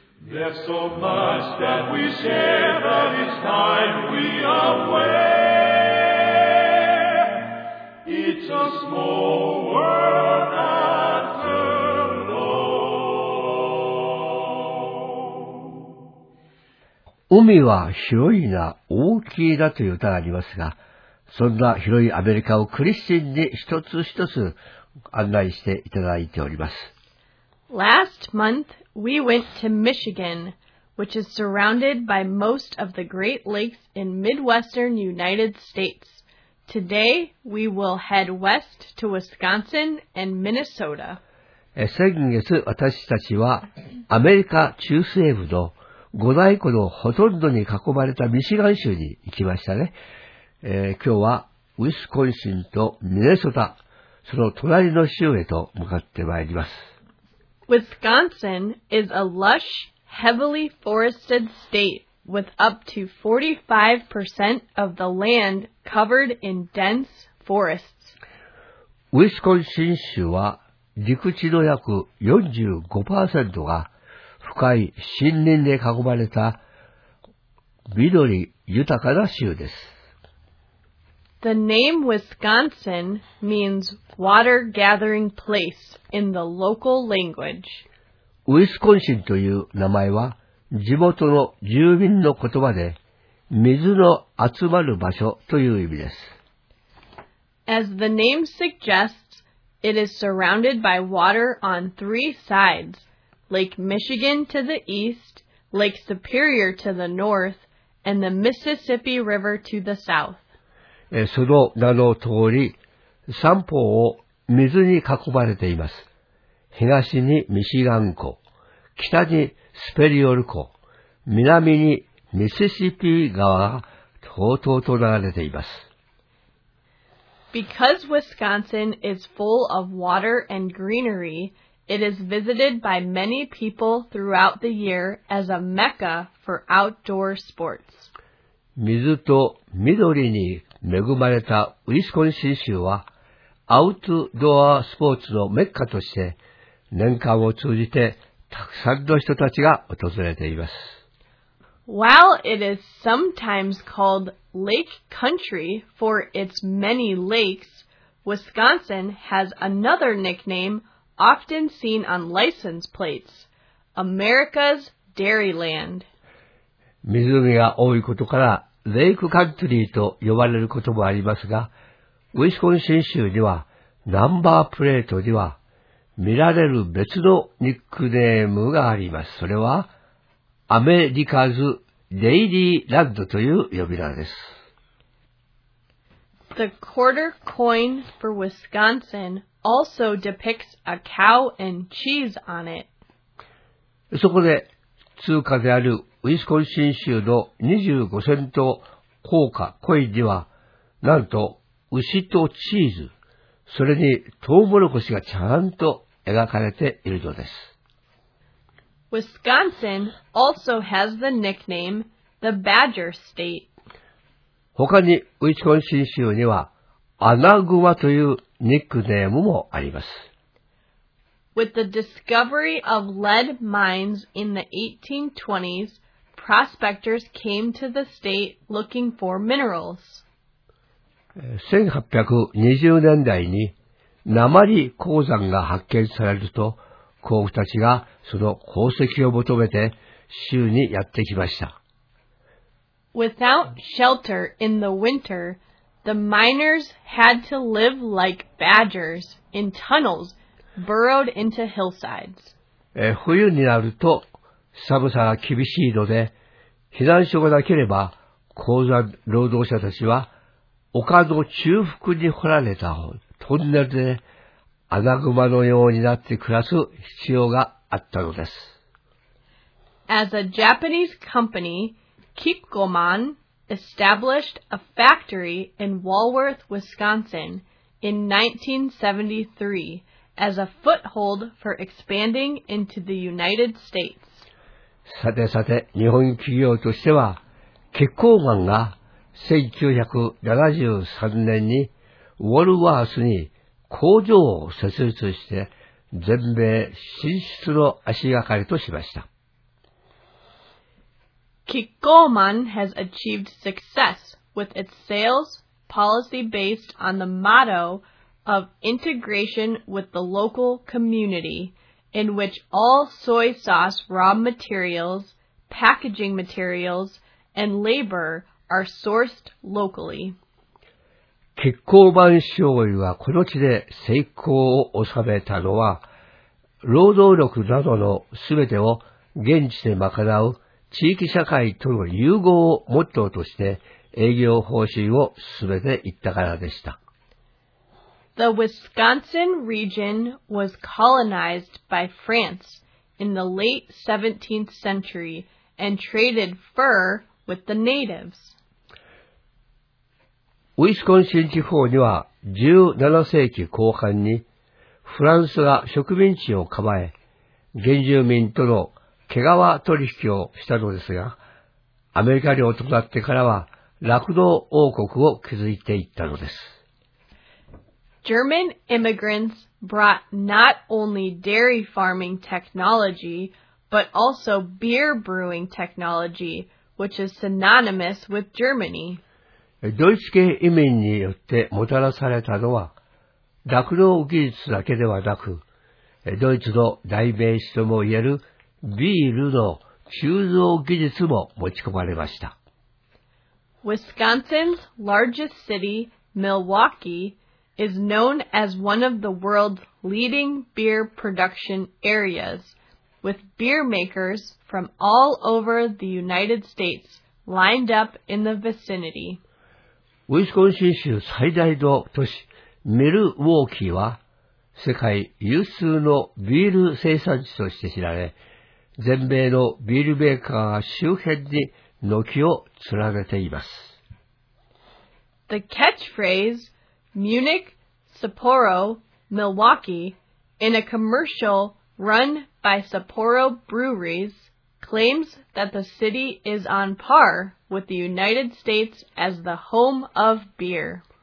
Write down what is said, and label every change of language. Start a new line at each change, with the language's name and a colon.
English: There's so much that we share, but it's time we are aware. It's a small world after all.
Japanese: 海は広いな、大きいなという歌がありますが、そんな広いアメリカをクリスティンに一つ一つ案内していただいております。
English: Last month, we went to Michigan, which is surrounded by most of the Great Lakes in Midwestern United States. Today, we will head west to Wisconsin and Minnesota.
Japanese: 先月、私たちはアメリカ中西部の五大湖のほとんどに囲まれたミシガン州に行きましたね。今日はウィスコンシンとミネソタ、その隣の州へと向かってまいります。
English: Wisconsin is a lush, heavily forested state with up to 45% of the land covered in dense forests.
Japanese: ウィスコンシン州は陸地の約 45% が深い森林で囲まれた緑豊かな州です。
English: The name Wisconsin means water gathering place in the local language.
Japanese: ウィスコンシンという名前は地元の住民の言葉で、水の集まる場所という意味です。
English: As the name suggests, it is surrounded by water on three sides, Lake Michigan to the east, Lake Superior to the north, and the Mississippi River to the south.
Japanese: その名の通り、三方を水に囲まれています。東にミシガン湖、北にスペリオル湖、南にミシシッピ川がとうとうと流れています。
English: Because Wisconsin is full of water and greenery, it is visited by many people throughout the year as a mecca for outdoor sports.
Japanese: 水と緑に恵まれたウィスコンシン州は、アウトドアスポーツのメッカとして、年間を通じてたくさんの人たちが訪れています。
English: While it is sometimes called Lake Country for its many lakes, Wisconsin has another nickname often seen on license plates, America's Dairyland.
Japanese: 湖が多いことからレイクカントリーと呼ばれることもありますが、ウィスコンシン州にはナンバープレートには見られる別のニックネームがあります。それはアメリカズ・デイリーランドという呼び名です。
English: The quarter coin for Wisconsin also depicts a cow and cheese on it.
Japanese: そこで通貨であるウィスコンシン州の25セント硬貨コインには、なんと牛とチーズ、それにトウモロコシがちゃんと描かれているのです。
English: Wisconsin also has the nickname the Badger State.
Japanese: 他にウィスコンシン州にはアナグマというニックネームもあります。
English: With the discovery of lead mines in the 1820s, prospectors came to the state looking for minerals.
Japanese: 1820年代に鉛鉱山が発見されると、鉱夫たちがその鉱石を求めて州にやってきました。
English: Without shelter in the winter, the miners had to live like badgers in tunnels burrowed into hillsides.
Japanese: 冬になると寒さが厳しいので、避難所がなければ鉱山労働者たちは丘の中腹に掘られたトンネルで穴熊のようになって暮らす必要があったのです。
English: As a Japanese company, Kikkoman established a factory in Walworth, Wisconsin in 1973 as a foothold for expanding into the United States.
Japanese: さてさて、日本企業としては、Kikkoman が1973年にウォルワースに工場を設立して全米進出の足がかりとしました。
English: Kikkoman has achieved success with its sales policy based on the motto of integration with the local community, in which all soy sauce raw materials, packaging materials, and labor are sourced locally.
Japanese: キッコーマン醤油がこの地で成功を収めたのは、労働力などのすべてを現地で賄う地域社会との融合をモットーとして営業方針を進めていったからでした。
English: The Wisconsin region was colonized by France in the late 17th century and traded fur with the natives.
Japanese: ウィスコンシン地方には17世紀後半にフランスが植民地を構え、原住民との毛皮取引をしたのですが、アメリカ領となってからは酪農王国を築いていったのです。
English: German immigrants brought not only dairy farming technology, but also beer brewing technology, which is synonymous with Germany.
Japanese: ドイツ系移民によってもたらされたのは、酪農技術だけではなく、ドイツの代名詞とも言えるビールの鋳造技術も持ち込まれました。
English: Wisconsin's largest city, Milwaukee, is known as one of the world's leading beer production areas, with beer makers from all over the United States lined up in the vicinity.
Japanese: ウィスコンシン州最大の都市ミルウォーキーは世界有数のビール生産地として知られ、全米のビールメーカーが周辺に軒を連ねています。
English: The catchphrase Munich, Sapporo, Milwaukee in a commercial run by Sapporo Breweries claims that the city is on par. With the United States as the home of beer.